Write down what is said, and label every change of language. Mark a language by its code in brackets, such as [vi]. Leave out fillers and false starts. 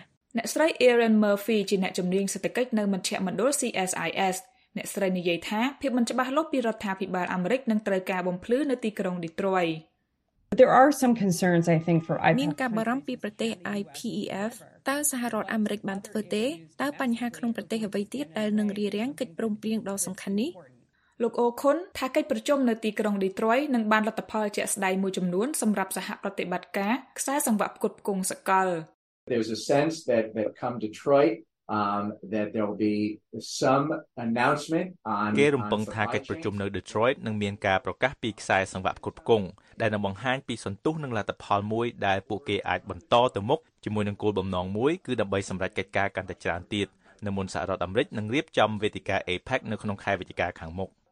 [km] អ្នកស្រី Erin Murphy ជាអ្នកជំនាញសេដ្ឋកិច្ចនៅមជ្ឈមណ្ឌល CSIS អ្នកស្រីនិយាយថាភាពមិនច្បាស់លាស់ពីរដ្ឋាភិបាលអាមេរិកនឹងត្រូវការបំភ្លឺនៅទីក្រុង Detroit [en] There are some concerns I think for IPEF [km] មានការបារម្ភពីប្រទេស IPEF តើសហរដ្ឋអាមេរិកបានធ្វើទេតើបញ្ហាក្នុងប្រទេសអ្វីទៀតដែលនឹងរារាំងកិច្ចព្រមព្រៀងដ៏សំខាន់នេះ លោកអូខុនថាកិច្ចប្រជុំនៅទីក្រុង Detroit នឹងបានលទ្ធផលជាក់ស្ដែងមួយចំនួនសម្រាប់សហប្រតិបត្តិការខ្សែសង្វាក់ផ្គត់ផ្គង់សកល [en] There's a sense that come Detroitthat there will be some announcement on [km] គេរំពឹងថាកិច្ចប្រជុំនៅ Detroit នឹងមានការប្រកាសពីខ្សែសង្វាក់ផ្គត់ផ្គង់ដែលនឹងបង្ហាញពីសន្ទុះនិងលទ្ធផលមួយដែលពួកគេអាចបន្តទៅមុខជាមួយនឹងគោលបំណងមួយគឺដើម្បីសម្រេចកិច្ចការកាន់តែច្រើនទៀតនៅមុនសហរដ្ឋអាមេរិកនឹងរៀបចំវេទិកា APEC នៅក្នុងខែវិច្ឆិកាខាងមុខ